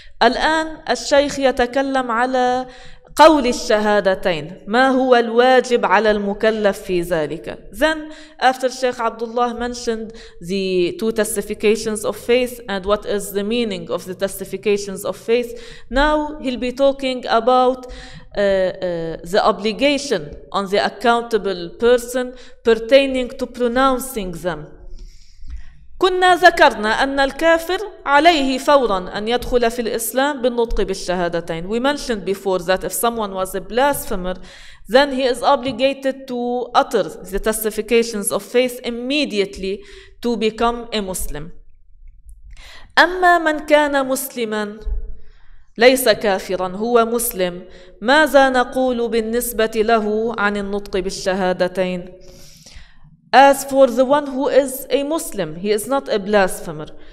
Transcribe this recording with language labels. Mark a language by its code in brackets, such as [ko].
[ar] الآن الشيخ يتكلم على قول الشهادتين, ما هو الواجب على المكلف في ذلك. [en] Then after Sheikh Abdullah mentioned the two testifications of faith and what is the meaning of the testifications of faith, now he'll be talking about the obligation on the accountable person pertaining to pronouncing them. [ar] كنا ذكرنا أن الكافر عليه فورا أن يدخل في الإسلام بالنطق بالشهادتين. [en] We mentioned before that if someone was a blasphemer, then he is obligated to utter the testifications of faith immediately to become a Muslim. [ar] أما من كان مسلما ليس كافرا هو مسلم ماذا نقول بالنسبة له عن النطق بالشهادتين؟ [en] As for the one who is a Muslim, he is not a blasphemer.